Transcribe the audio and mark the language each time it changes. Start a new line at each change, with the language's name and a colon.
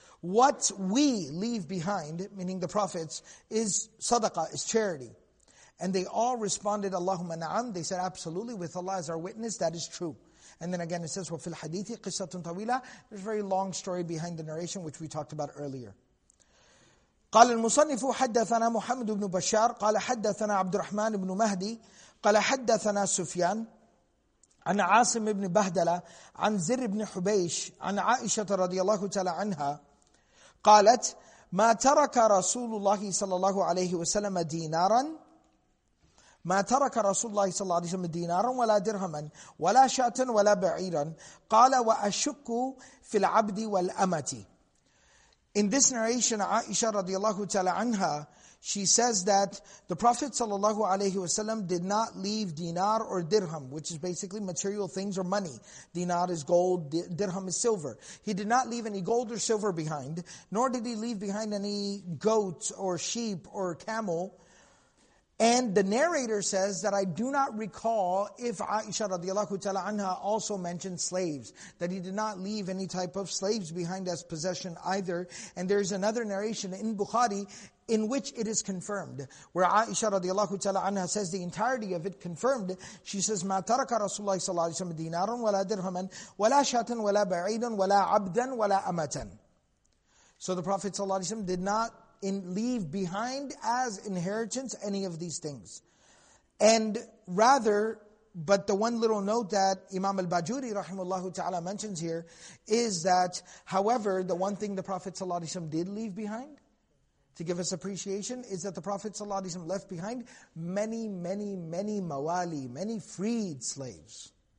English: What we leave behind, meaning the prophets, is sadaqah, is charity. And they all responded,
Arabic: Allahumma na'am.
English: They said, absolutely, with Allah as our witness, that is true. And then again it says,
Arabic: وَفِي الْحَدِيثِ قِصَّةٌ طَوِيلَةٌ
English: There's a very long story behind the narration which we talked about earlier.
Arabic: قال المصنف حدثنا محمد بن بشار قال حدثنا عبد الرحمن بن مهدي قال حدثنا سفيان عن عاصم بن بهدلة عن زر بن حبيش عن عائشة رضي الله تعالى عنها قالت ما ترك رسول الله صلى الله عليه وسلم دينارا ما ترك رسول الله صلى الله عليه وسلم دينارا ولا درهما ولا شاة ولا بعيرا قال وأشك في العبد والأمة.
English: In this narration, Aisha radiallahu ta'ala anha, she says that the Prophet sallallahu alayhi wasallam did not leave dinar or dirham, which is basically material things or money. Dinar is gold, dirham is silver. He did not leave any gold or silver behind, nor did he leave behind any goat or sheep or camel. And the narrator says that I do not recall if Aisha radiallahu ta'ala anha also mentioned slaves, that he did not leave any type of slaves behind as possession either. And there is another narration in Bukhari in which it is confirmed, where Aisha radiallahu ta'ala anha says the entirety of it confirmed. She says,
Arabic: مَا تَرَكَ رَسُولَ اللَّهِ صَلَّى اللَّهِ سَلَّمَ دِينَارٌ وَلَا دِرْهَمًا وَلَا شَاتٍ وَلَا بَعِيدٌ وَلَا عَبْدًا وَلَا أَمَةً.
English: So the Prophet صلى الله عليه وسلم did not leave behind as inheritance any of these things. And rather, but the one little note that Imam al-Bajuri rahimahullah ta'ala mentions here is that, however, the one thing the Prophet sallallahu alaihi wasallam did leave behind to give us appreciation is that the Prophet sallallahu alaihi wasallam left behind many, many, many mawali, many freed slaves.